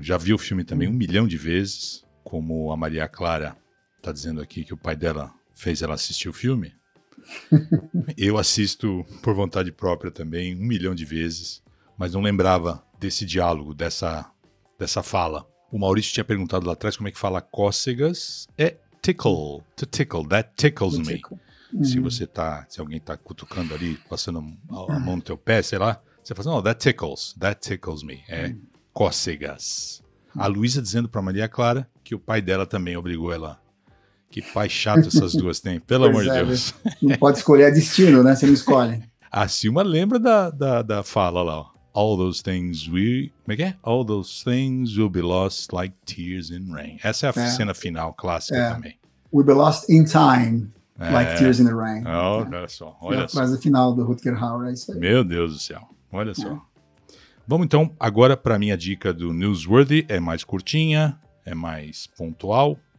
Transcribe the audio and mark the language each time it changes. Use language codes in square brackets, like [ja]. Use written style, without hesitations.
[pt] Já vi o filme também um milhão de vezes, como a Maria Clara está dizendo aqui que o pai dela fez ela assistir o filme. Eu assisto por vontade própria também um milhão de vezes, mas não lembrava desse diálogo, dessa fala. O Maurício tinha perguntado lá atrás como é que fala cócegas. É [en] tickle, to tickle, that tickles me. Tickle. [pt] Se alguém tá cutucando ali, passando a mão no teu pé, sei lá, você fala, oh, [en] that tickles me, [pt] cócegas. A Luísa dizendo pra Maria Clara que o pai dela também obrigou ela. Que pai chato essas duas têm, pelo amor de Deus. Não pode escolher, é destino, né, você não escolhe. A Silma lembra da fala lá, ó. [en] All those things all those things will be lost like tears in rain. [pt] Essa é a cena final clássica também. [en] We'll be lost in time, like tears in the rain. [pt] Olha só. A frase final do Rutger Hauer, é isso aí. Meu Deus do céu, olha só. Vamos então agora para a minha dica do Newsworthy. É mais curtinha, é mais pontual.